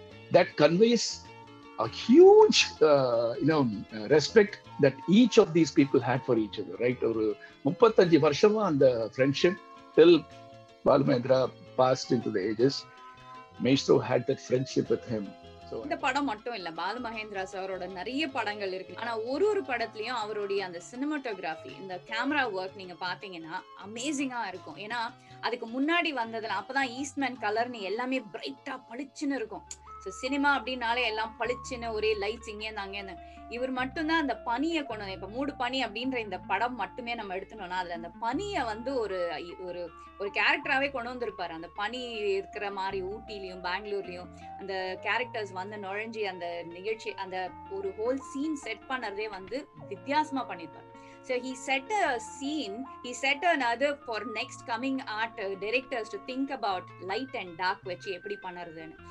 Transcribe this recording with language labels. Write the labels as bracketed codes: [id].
[en] That conveys a huge respect that each of these people had for each other, right? [ta] Oru 35 varshama anda [en] friendship till Balamendra passed into the ages, maestro had that friendship with him. [ta] இந்த படம் மட்டும் இல்ல, பாலு மகேந்திரா சாரோட நிறைய படங்கள் இருக்கு. ஆனா ஒரு ஒரு படத்துலயும் அவருடைய அந்த சினிமாட்டோகிராஃபி, இந்த கேமரா ஒர்க் நீங்க பாத்தீங்கன்னா அமேசிங்கா இருக்கும். ஏன்னா அதுக்கு முன்னாடி வந்ததுல அப்பதான் ஈஸ்ட்மேன் கலர் நீ எல்லாமே பிரைட்டா பளிச்சுன்னு இருக்கும். சோ சினிமா அப்படின்னாலே எல்லாம் பளிச்சுன்னு ஒரே லைட்ஸ் இங்கே அங்கேயே. இவர் மட்டும்தான் அந்த பனியை கொண்டு வந்து, இப்ப மூடு பனி அப்படின்ற இந்த படம் மட்டுமே நம்ம எடுத்துனோம்னா அதுல அந்த பனியை வந்து ஒரு ஒரு கேரக்டராகவே கொண்டு வந்திருப்பாரு. அந்த பனி இருக்கிற மாதிரி ஊட்டிலையும் பெங்களூர்லயும் அந்த கேரக்டர்ஸ் வந்து நுழைஞ்சி அந்த நிகழ்ச்சி அந்த ஒரு ஹோல் சீன் செட் பண்ணறதே வந்து வித்தியாசமா பண்ணியிருப்பார். [en] So he set a scene, he set another for next coming art directors to think about light and dark [ta] vechi eppadi panaradhen.